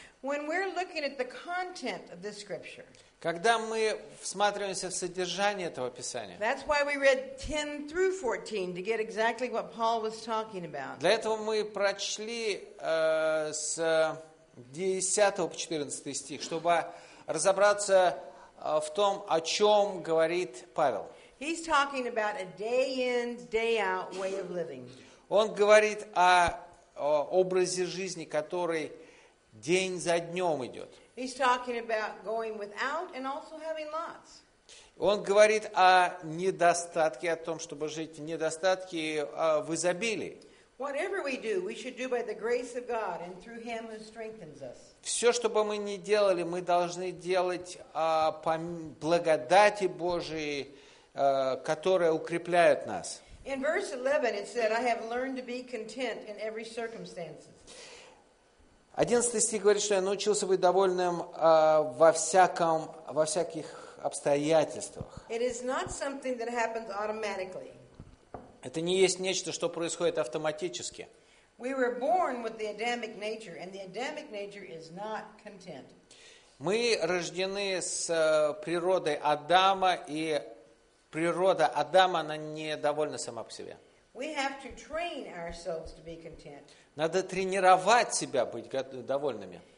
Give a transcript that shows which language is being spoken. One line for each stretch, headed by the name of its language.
English: When we're looking at the content of this scripture.
Russian: Когда мы всматриваемся в содержание этого писания.
English: That's why we read 10 through 14 to get exactly what Paul was talking about.
Russian: Для этого мы прочли с 10 по 14 стих, чтобы разобраться в том, о чем говорит Павел.
English: He's talking about a day in, day out way of living.
Russian: Он говорит о образе жизни, который день за днем идет.
English: He's talking about going without and also having lots.
Russian: Он говорит о недостатке, о том, чтобы жить в недостатке, в изобилии.
English: Whatever we do, we should do by the grace of God and through Him who strengthens us.
Russian: Все, что бы мы ни делали, мы должны делать по благодати Божией, которая укрепляет нас.
English: In verse 11 it said, I have learned to be content in every circumstance.
Russian: 11 стих говорит, что я научился быть довольным во всяких обстоятельствах.
English: It is not something that happens automatically.
Russian: Это не есть нечто, что происходит автоматически.
English: We were born with the Adamic nature, and the Adamic nature is not content.
Russian: Мы рождены с природой Адама, и природа Адама, она недовольна сама по себе.
English: We have to train ourselves to be content.
Russian: Надо тренировать себя быть довольными.